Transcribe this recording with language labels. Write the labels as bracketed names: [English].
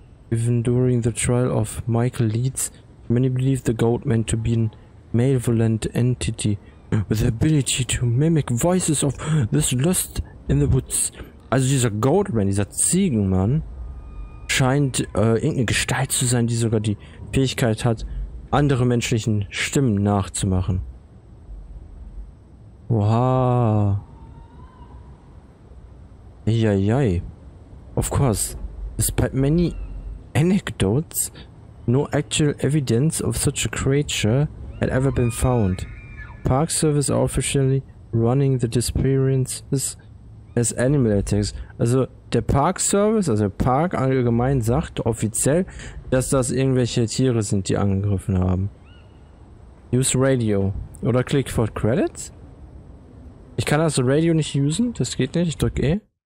[English] Even during the trial of Michael Leeds, many believe the Goatman to be a malevolent entity with the ability to mimic voices of this lust in the woods. [German] Also dieser Goatman, dieser Ziegenmann, scheint irgendeine Gestalt zu sein, die sogar die Fähigkeit hat, andere menschlichen Stimmen nachzumachen. [English] Wow. Eieiei. Of course, despite many anecdotes, no actual evidence of such a creature had ever been found. Park Service are officially running the disappearances as animal attacks. [German] Also der Park Service, also Park allgemein, sagt offiziell, dass das irgendwelche Tiere sind, die angegriffen haben. [English] Use radio. [German] Oder [English] click for credits? [German] Ich kann also Radio nicht usen, das geht nicht, ich drücke E.